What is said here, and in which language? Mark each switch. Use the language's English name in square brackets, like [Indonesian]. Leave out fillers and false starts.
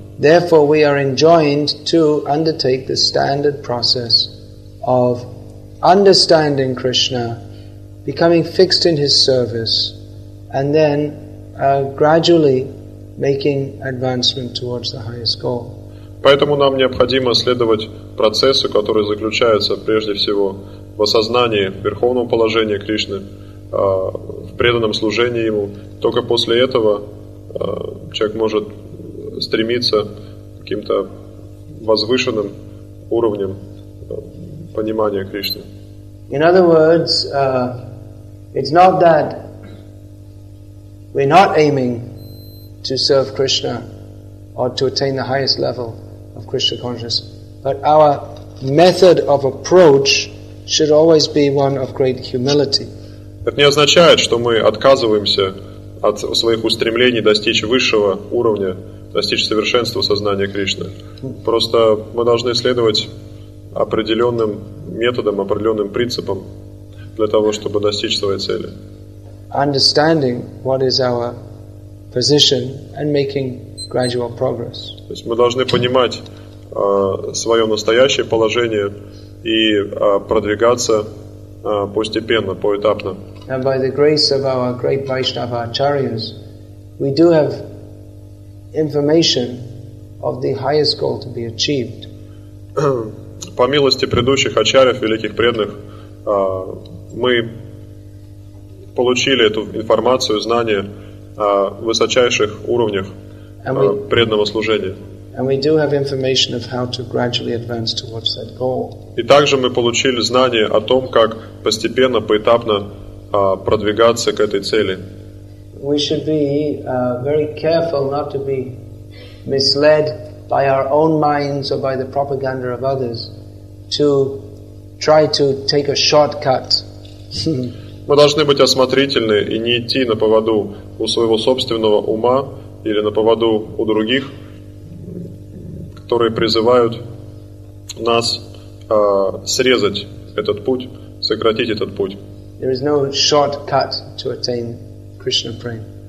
[English] Therefore, we are enjoined to undertake the standard process of understanding Krishna, becoming fixed in his service, and then gradually making advancement towards the highest goal. [Russian] Поэтому нам необходимо следовать процессу, который заключается прежде всего в осознании верховного положения Кришны, в преданном служении ему. Только после этого человек может стремиться к каким-то возвышенным уровням понимания Кришны. [English] In other words, it's not that we're not aiming to serve Krishna or to attain the highest level of Krishna consciousness, but our method of approach should always be one of great humility. [Russian] Это не означает, что мы отказываемся от своих устремлений достичь высшего уровня, достичь совершенства сознания Кришны. Просто мы должны следовать определенным методом, определенным принципом для того, чтобы достичь своей цели. [English] Understanding what is our position and making gradual progress. [Russian] То есть мы должны понимать свое настоящее положение и продвигаться постепенно, поэтапно. [English] And by the grace of our great Vaishnava Acharyas, we do have information of the highest goal to be achieved. [Russian] По милости предыдущих ачарьев, великих преданных, мы получили эту информацию, знания о высочайших уровнях преданного служения. И также мы получили знания о том, как постепенно, поэтапно продвигаться к этой цели. [English] We should be very careful not to be misled by our own minds or by the propaganda of others, to try to take a shortcut. [Russian] Мы должны быть осмотрительны и не идти на поводу у своего собственного ума или на поводу у других, которые призывают нас срезать этот путь, сократить этот путь. [English] There is no shortcut to attain Krishna prema.